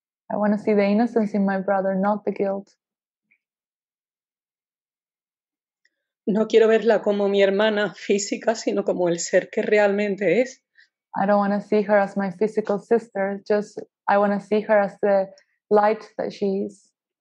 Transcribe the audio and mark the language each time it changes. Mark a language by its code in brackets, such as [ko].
[en] I want to see the innocence in my brother, not the guilt. [es] No quiero verla como mi hermana física, sino como el ser que realmente es. [en] I don't want to see her as my physical sister, just I want to see her as the light that she is.